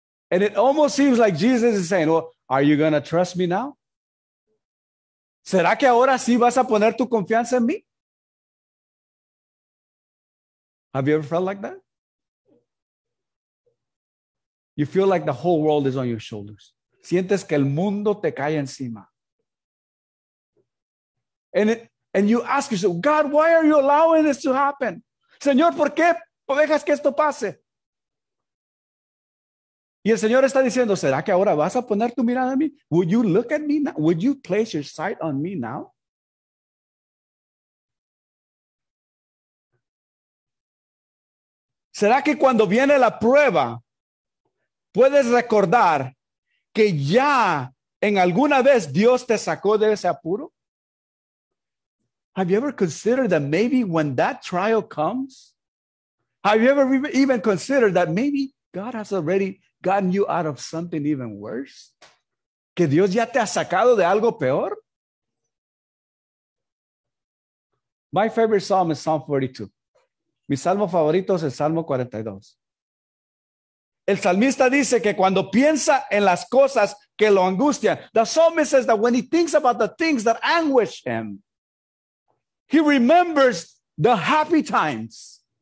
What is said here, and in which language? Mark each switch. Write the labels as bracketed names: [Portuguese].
[English] And it almost seems like Jesus is saying, well, are you going to trust me now? [Spanish] ¿Será que ahora sí vas a poner tu confianza en mí? [English] Have you ever felt like that? You feel like the whole world is on your shoulders. [Spanish] Sientes que el mundo te cae encima. [English] And you ask yourself, God, why are you allowing this to happen? [Spanish] Señor, ¿por qué dejas que esto pase? Y el Señor está diciendo, ¿será que ahora vas a poner tu mirada en mí? [English] Would you look at me now? Would you place your sight on me now? [Spanish] ¿Será que cuando viene la prueba, puedes recordar que ya en alguna vez Dios te sacó de ese apuro? [English] Have you ever considered that maybe when that trial comes, have you ever even considered that maybe God has already gotten you out of something even worse? [Spanish] ¿Que Dios ya te ha sacado de algo peor? [English] My favorite psalm is Psalm 42. [Spanish] Mi salmo favorito es el Salmo 42. El salmista dice que cuando piensa en las cosas que lo angustian, [English] the psalmist says that when he thinks about the things that anguish him, he remembers the happy times.